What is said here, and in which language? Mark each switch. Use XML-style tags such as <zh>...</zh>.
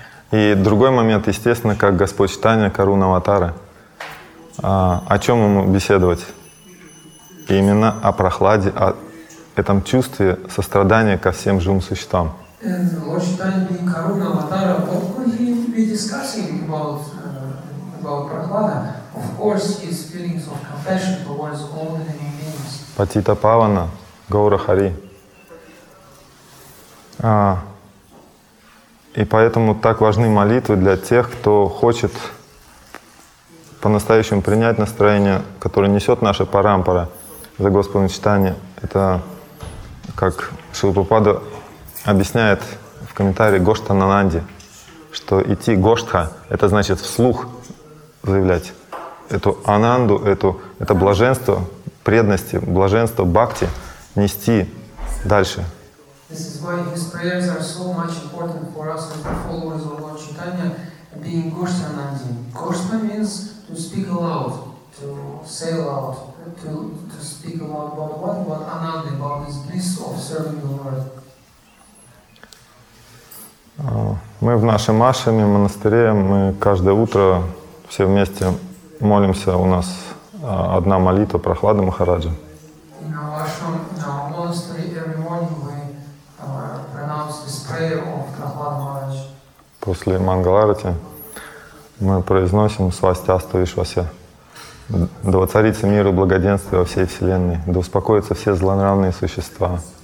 <ru>И другой момент, естественно, как Господь Чайтанья, Каруна Аватара. О чем ему беседовать? Именно о прохладе, о этом чувстве сострадания ко всем живым существам.</ru> <en>And Lord Chaitanya being Karuna Avatara, what were he be discussing about about Prahlada, of course, his feelings of compassion towards all the living beings.</en> <sa>Patita Pavana, Gaura Hari.</sa> <ru>И поэтому так важны молитвы для тех, кто хочет по-настоящему принять настроение, которое несет наша парампара за Господом Чайтанья. Это, как Шрила Прабхупада объясняет в комментарии Гоштха Нананди, что идти Гоштха — это значит вслух заявлять эту ананду, это блаженство преданности, блаженство бхакти нести дальше.</ru> <en>This is why his prayers are so much important for us as the followers of Lord Chaitanya, being Goshta Nandi. Goshta means to speak aloud, to say aloud, to speak aloud about what? About Ananda, about his bliss of serving the Lord.</en> <ru>Мы в нашем ашраме, монастыре, мы каждое утро все вместе молимся, у нас одна молитва Прахлада Махараджа.</ru> <en>In our ashram, in our monastery, every morning we</en> <ru>после Мангаларати мы произносим «Свастиасту Вишвасе» «Да воцарится мир и благоденствие во всей Вселенной, да успокоятся все злонравные существа».</ru>